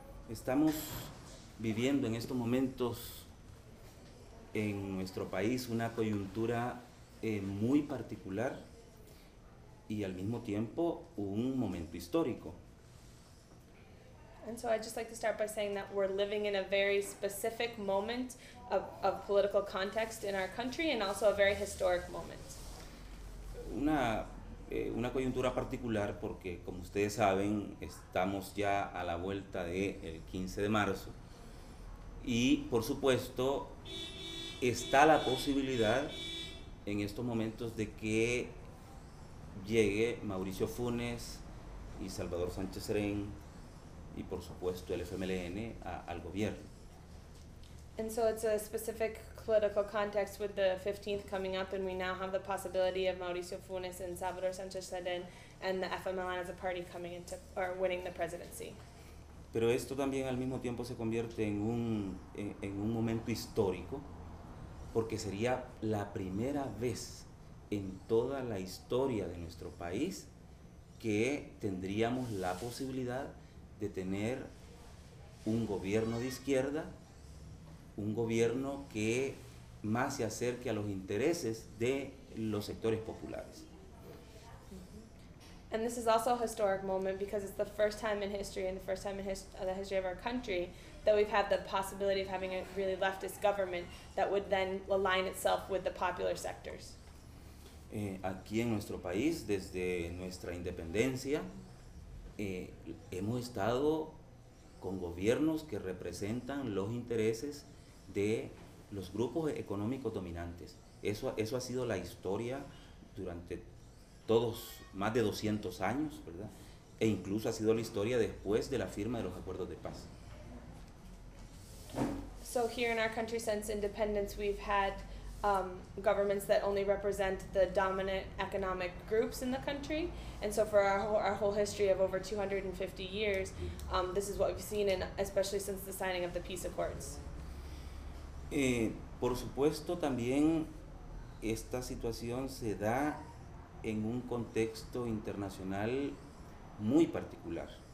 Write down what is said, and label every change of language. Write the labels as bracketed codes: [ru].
[es] Estamos viviendo en estos momentos en nuestro país una coyuntura muy particular y al mismo tiempo un momento histórico. [en] And so I'd just like to start by saying that we're living in a very specific moment of political context in our country and also a very historic moment. [es] Una coyuntura particular porque, como ustedes saben, estamos ya a la vuelta del 15 de marzo. Y, por supuesto, está la posibilidad en estos momentos de que llegue Mauricio Funes y Salvador Sánchez Serén y, por supuesto, el FMLN al gobierno. [en] And so it's a specific political context with the 15th coming up, and we now have the possibility of Mauricio Funes and Salvador Sánchez Serén and the FMLN as a party coming into or winning the presidency. [es] Pero esto también al mismo tiempo se convierte en un momento histórico, porque sería la primera vez en toda la historia de nuestro país que tendríamos la posibilidad de tener un gobierno de izquierda, un gobierno que más se acerque a los intereses de los sectores populares. [en] And this is also a historic moment because it's the first time in history and the first time in the history of our country that we've had the possibility of having a really leftist government that would then align itself with the popular sectors. [es] Aquí en nuestro país, desde nuestra independencia, hemos estado con gobiernos que representan los intereses de los grupos económicos dominantes. Eso ha sido la historia durante todos más de 200 años, ¿verdad? E incluso ha sido la historia después de la firma de los acuerdos de paz. [en] So here in our country since independence we've had governments that only represent the dominant economic groups in the country, and so for our whole history of over 250 years, this is what we've seen, and especially since the signing of the peace accords. [es] Por supuesto, también esta situación se da en un contexto internacional muy particular.